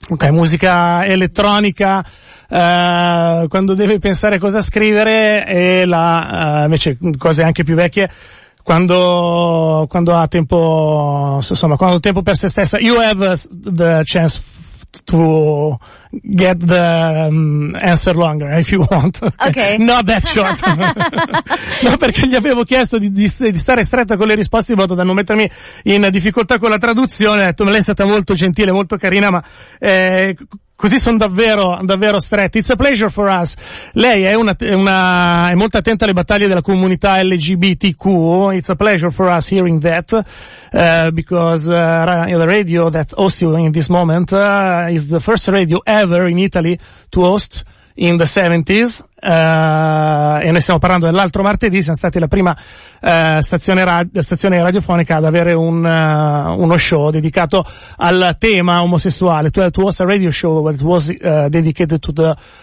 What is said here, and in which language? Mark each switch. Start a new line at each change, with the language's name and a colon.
Italian: Okay, musica elettronica, quando deve pensare cosa scrivere, e la, invece cose anche più vecchie, quando ha tempo, insomma, quando ha tempo per se stessa.
English: You have the chance to get the answer longer if you want. Okay. Not that short.
Italian: No, perché gli avevo chiesto di stare stretta con le risposte in modo da non mettermi in difficoltà con la traduzione. Ho detto, lei è stata molto gentile, molto carina, ma così sono davvero davvero stretti.
English: It's a pleasure for us.
Italian: Lei è una molto attenta alle battaglie della comunità LGBTQ.
English: It's a pleasure for us hearing that, because the radio that hosts you in this moment is the first radio ever in Italy to host in the 70s.
Italian: E noi stiamo parlando dell'altro martedì, siamo stati la prima stazione radiofonica ad avere uno show dedicato al tema omosessuale.
English: It was a radio show that was dedicated to the